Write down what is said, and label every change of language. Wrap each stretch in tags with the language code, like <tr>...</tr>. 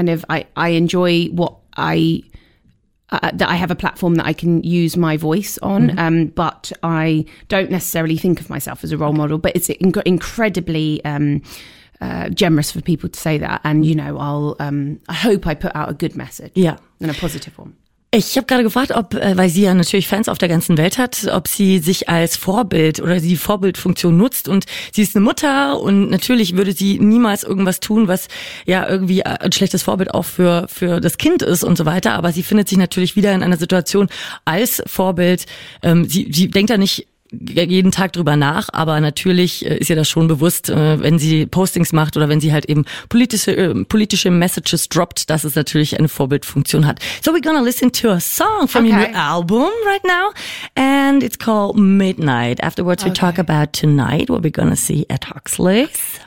<en>I enjoy what that I have a platform that I can use my voice on, but I don't necessarily think of myself as a role model. But it's incredibly generous for people to say that. And, you know, I hope I put out a good message. Yeah. And a positive one.</en> <de>Ich habe gerade gefragt, ob, weil sie ja natürlich Fans auf der ganzen Welt hat, ob sie sich als Vorbild oder die Vorbildfunktion nutzt. Und sie ist eine Mutter und natürlich würde sie niemals irgendwas tun, was ja irgendwie ein schlechtes Vorbild auch für das Kind ist und so weiter. Aber sie findet sich natürlich wieder in einer Situation als Vorbild. Sie denkt da nicht jeden Tag drüber nach, aber natürlich ist ihr das schon bewusst, wenn sie Postings macht oder wenn sie halt eben politische Messages droppt, dass es natürlich eine Vorbildfunktion hat.</de> <en>So we're gonna listen to a song from your new album right now and it's called Midnight. Afterwards we talk about tonight, what we're gonna see at Huxley's.</en>